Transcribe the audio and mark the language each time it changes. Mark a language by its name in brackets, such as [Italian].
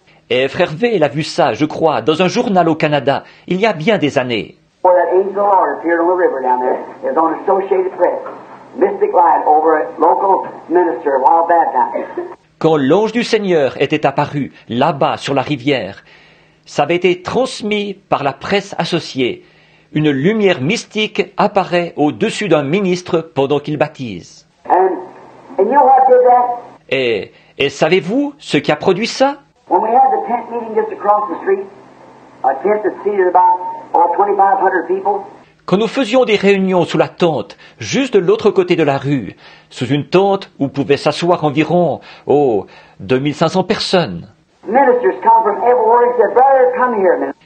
[French] Et frère V, il a vu ça, je crois, dans un journal au Canada, il y a bien des années. [English] Before that angel of the Lord appeared on the river down there, it was on Associated Press, Mystic Light over a local minister of Wild Bad Time. [French] Quand l'ange du Seigneur était apparu là-bas sur la rivière, ça avait été transmis par la presse associée. Une lumière mystique apparaît au-dessus d'un ministre pendant qu'il baptise. [English] And you know what did that? [French] Et savez-vous ce qui a produit ça? [English] When we had the tent meeting just across the street, a tent that seated about 2,500 people. [French] Quand nous faisions des réunions sous la tente, juste de l'autre côté de la rue, sous une tente où pouvaient s'asseoir environ, 2500 personnes. [English] Ministers come from everywhere and said, "Brother, come here a minute."